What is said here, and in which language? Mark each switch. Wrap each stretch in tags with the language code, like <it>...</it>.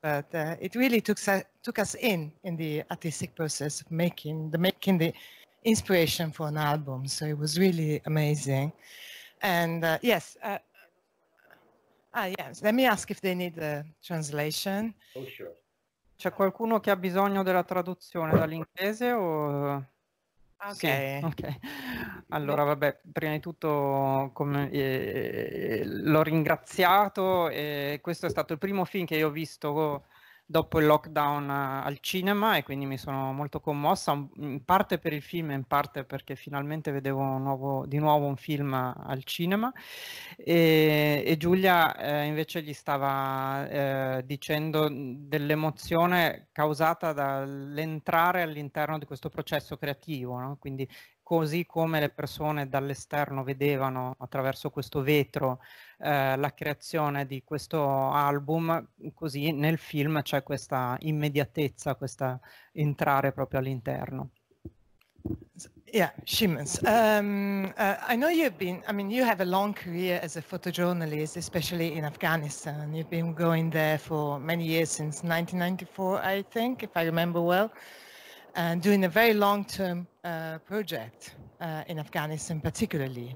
<en>But it really took us in the artistic process of making the inspiration for an album. So it was really amazing. And yes. Let me ask if they need the translation. Oh, sure.</en> <it>C'è qualcuno che ha bisogno della traduzione dall'inglese o? Okay. Allora, vabbè, prima di tutto l'ho ringraziato. Questo è stato il primo film che io ho visto dopo il lockdown al cinema e quindi mi sono molto commossa, in parte per il film e in parte perché finalmente vedevo di nuovo un film al cinema. E Giulia invece gli stava dicendo dell'emozione causata dall'entrare all'interno di questo processo creativo, no? Quindi così come le persone dall'esterno vedevano attraverso questo vetro la creazione di questo album, così nel film c'è questa immediatezza, questa entrare proprio all'interno.</it> <en>Yeah, Seamus. I know you have a long career as a photojournalist, especially in Afghanistan. You've been going there for many years, since 1994, I think, if I remember well. And doing a very long-term project in Afghanistan particularly.</en>